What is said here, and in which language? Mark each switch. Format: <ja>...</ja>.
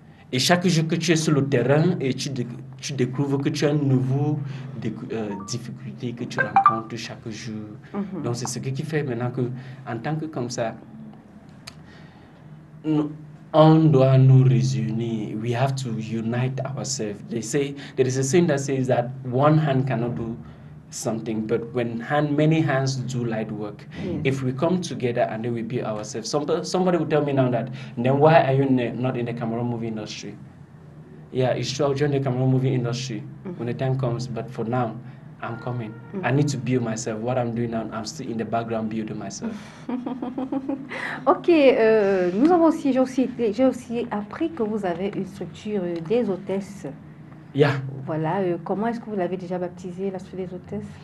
<fr>Et chaque jour que tu es sur le terrain et tu découvres que tu as une nouvelle difficulté que tu rencontres chaque jour. Donc c'est ce qui fait maintenant que, en tant que comme ça, on doit nous réunir.</fr> <en>We have to unite ourselves. They say, there is a saying that says that one hand cannot do something, but when hand, many hands do light work. Yes. If we come together and then we be ourselves, somebody will tell me now that, then why are you not in the Cameroon movie industry? Yeah, it's true, I'll join the Cameroon movie industry when the time comes, but for now, I'm coming. I need to build myself. What I'm doing now, I'm still in the background building myself.</en> <fr>Ok, nous avons aussi, j'ai aussi appris que vous avez une structure des hôtesses.</fr> <en>Yeah.</en> <fr>Voilà. Comment est-ce que vous l'avez déjà baptisé, la suite des hôtesses?</fr>